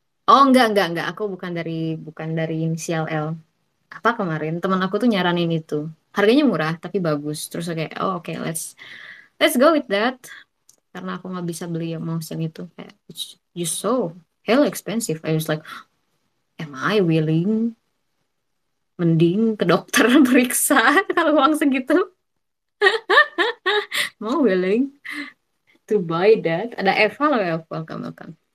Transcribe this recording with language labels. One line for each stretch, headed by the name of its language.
Indonesian: Oh, enggak. Aku bukan dari inisial L. apa kemarin teman aku tuh nyaranin itu. Harganya murah tapi bagus. Terus aku kayak, oh oke,
English: okay, let's go with that.
Indonesian: Karena aku nggak bisa beli yang mouse yang itu.
English: Kayak, it's just so hell expensive. I was like, am I willing?
Indonesian: Mending ke dokter periksa kalau uang segitu.
English: More willing to buy that.
Indonesian: Ada Eva loh, Eva.
English: Welcome, welcome.